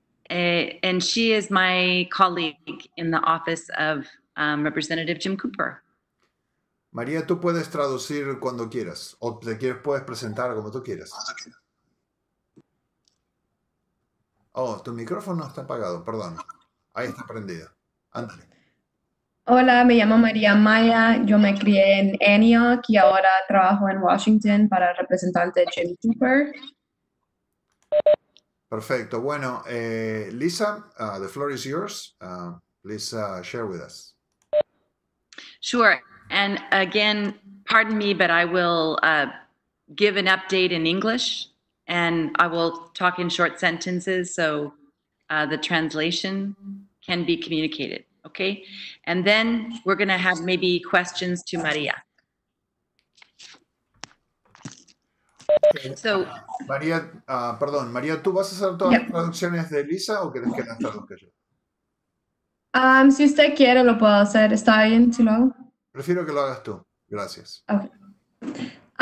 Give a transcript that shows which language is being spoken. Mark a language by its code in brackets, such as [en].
[en] And she is my colleague in the office of Representative Jim Cooper. [es] María, tú puedes traducir cuando quieras o te quieres puedes presentar como tú quieras. Oh, tu micrófono está apagado, perdón. Ahí está prendido. Ándale. Hola, me llamo María Maya. Yo me crié en Antioch y ahora trabajo en Washington para el representante Jim Cooper. Perfecto. Bueno, [en] Lisa, the floor is yours. Please share with us. Sure. And again, pardon me, but I will give an update in English and I will talk in short sentences so the translation can be communicated. Okay. And then we're going to have maybe questions to Maria. [es] So, María, perdón, María, ¿tú vas a hacer todas las traducciones de Lisa o quieres que las traduzca yo? Si usted quiere, lo puedo hacer. ¿Está bien si lo hago? Prefiero que lo hagas tú. Gracias. [en] Okay.